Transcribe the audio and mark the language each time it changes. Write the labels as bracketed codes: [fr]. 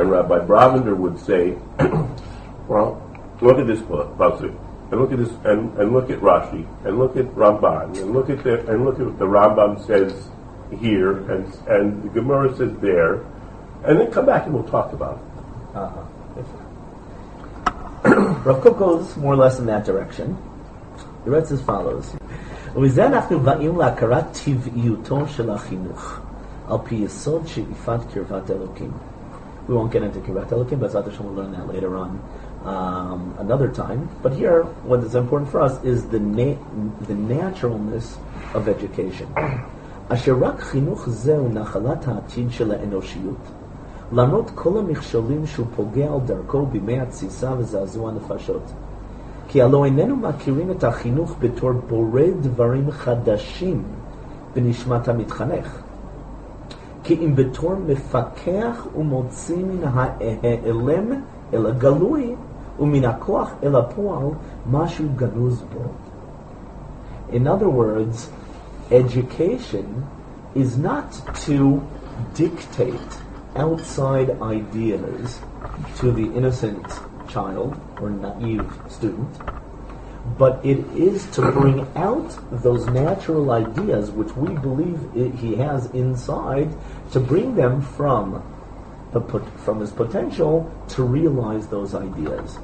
[en] And Rabbi Bravender would say, well, look at this pasuk, and look at this, and look at Rashi, and look at Ramban, and look at what the Rambam says here, and the Gemara says there, and then come back and we'll talk about it. Uh-huh. Rav Kook goes more or less in that direction. He writes as follows. [he] ומזה אנחנו באים להכרת טבעיותו של החינוך על פי יסוד שאיפת קרבת אלוקים. [en] We won't get into קרבת אלוקים, but that's what we'll learn that later on another time. But here, what is important for us is the naturalness of education. [he] אשר רק חינוך זהו נחלת העתיד של האנושיות. למרות כל המכשולים שהוא פוגע על דרכו בימי התסיסה וזעזוע הנפשות. כי הלא איננו מכירים את החינוך בתור בורא דברים חדשים בנשמת המתחנך. כי אם בתור מפקח ומוציא מן האלם אל הגלוי ומן הכוח אל הפועל משהו גנוז בו. [en] In other words, education is not to dictate outside ideas to the innocent child or naive student, but it is to bring out those natural ideas which we believe he has inside, to bring them from his potential to realize those ideas.